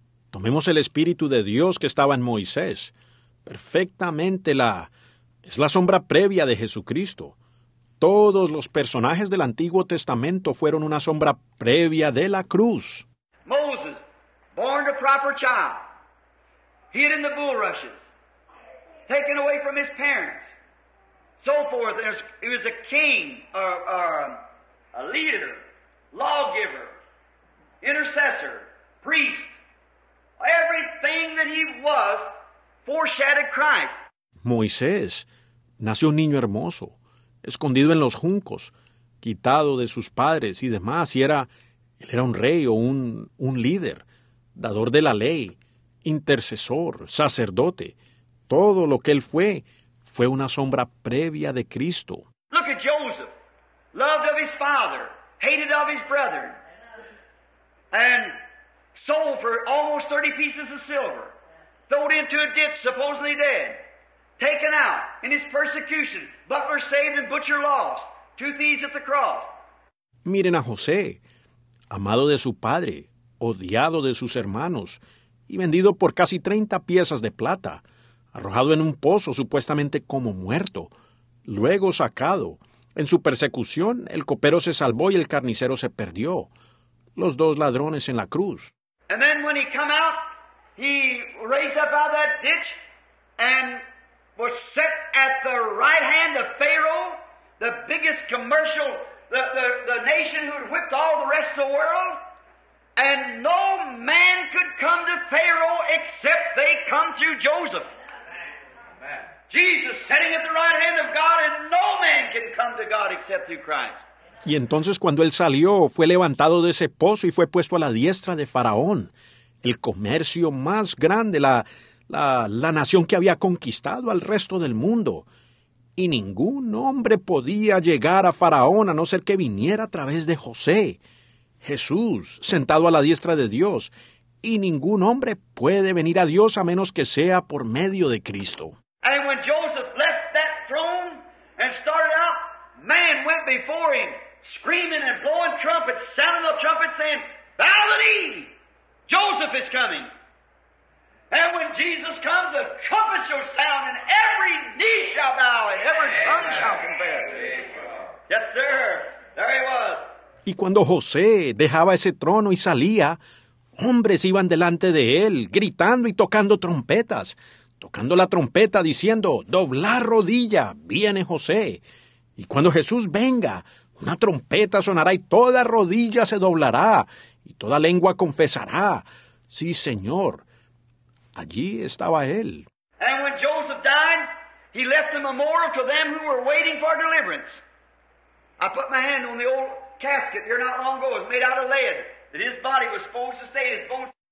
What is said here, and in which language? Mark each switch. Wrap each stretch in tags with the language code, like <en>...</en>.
<es>Tomemos el Espíritu de Dios que estaba en Moisés. Perfectamente es la sombra previa de Jesucristo. Todos los personajes del Antiguo Testamento fueron una sombra previa de la cruz.</es> <en>Moses, born a proper child, hid in the bulrushes, taken away from his parents, so forth. He was a king, a leader, lawgiver, intercessor, priest. Everything that he was foreshadowed Christ.</en> <es>Moisés nació un niño hermoso, escondido en los juncos, quitado de sus padres y demás, y él era un rey o un líder, dador de la ley, intercesor, sacerdote. Todo lo que él fue una sombra previa de Cristo.</es> <en>Look at Joseph, loved of his father, hated of his brethren, and sold for almost 30 pieces of silver, thrown into a ditch, supposedly dead, taken out in his persecution, butler saved and butcher lost, two thieves at the cross.</en> <es>Miren a José, amado de su padre, odiado de sus hermanos, y vendido por casi 30 piezas de plata, arrojado en un pozo supuestamente como muerto, luego sacado. En su persecución, el copero se salvó y el carnicero se perdió. Los dos ladrones en la cruz.</es> <en>And then when he come out, he raised up out of that ditch and was set at the right hand of Pharaoh, the biggest commercial, the nation who had whipped all the rest of the world. And no man could come to Pharaoh except they come through Joseph. Amen. Jesus sitting at the right hand of God, and no man can come to God except through Christ.</en> <es>Y entonces cuando él salió, fue levantado de ese pozo y fue puesto a la diestra de Faraón, el comercio más grande, la nación que había conquistado al resto del mundo. Y ningún hombre podía llegar a Faraón a no ser que viniera a través de José, Jesús, sentado a la diestra de Dios. Y ningún hombre puede venir a Dios a menos que sea por medio de Cristo. Y cuando</es> <en>Joseph left that throne and started out, man went before him, screaming and blowing trumpets, sounding the trumpets, saying, "Bow the knee! Joseph is coming!" And when Jesus comes, the trumpets shall sound, and every knee shall bow, and every tongue shall confess. Yes, sir. There he was.</en> <es>Y cuando José dejaba ese trono y salía, hombres iban delante de él, gritando y tocando trompetas, tocando la trompeta, diciendo, "Doblar rodilla, viene José." Y cuando Jesús venga, Una trompeta sonará y toda rodilla se doblará y toda lengua confesará. Sí, Señor. Allí estaba él.</es> <en>And when Joseph died, he left a memorial to them who were waiting for deliverance. I put my hand on the old casket here not long ago. It was made out of lead. That his body was supposed to stay, his bones.</en>